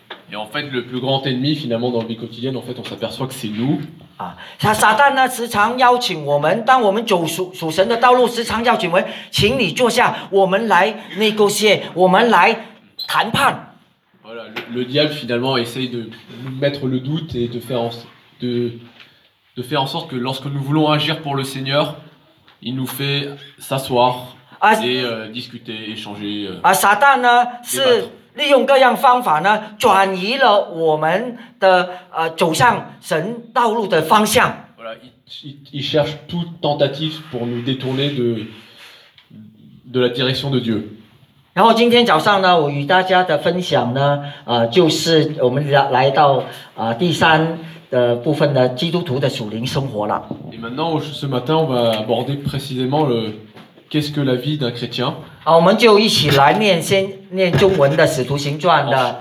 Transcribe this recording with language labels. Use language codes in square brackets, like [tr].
[fr] Et en fait, le plus grand ennemi, finalement, dans la vie quotidienne, en fait, on s'aperçoit que c'est nous. [zh] Ah, Satan, là, 时常邀请我们，当我们走属属神的道路，时常邀请我们，请你坐下，我们来 négocier, 我们来谈判。 [fr] Voilà, le diable finalement essaye de mettre le doute et de faire en de de faire en sorte que lorsque nous voulons agir pour le Seigneur il nous fait s'asseoir et discuter, échanger. [zh] Ah, Satan, 呢是利用各样方法呢转移了我们的呃走向神道路的方向。 [fr] Voilà, il cherche toute tentative pour nous détourner de la direction de Dieu. [zh] 然后今天早上呢，我与大家的分享呢，呃，就是我们来到呃第三。的部分的基督徒的属灵生活了。 [fr] Et maintenant, ce matin, on va aborder précisément le qu'est-ce que la vie d'un chrétien. [zh] 啊，我们就一起来念先念中文的《使徒行传》的。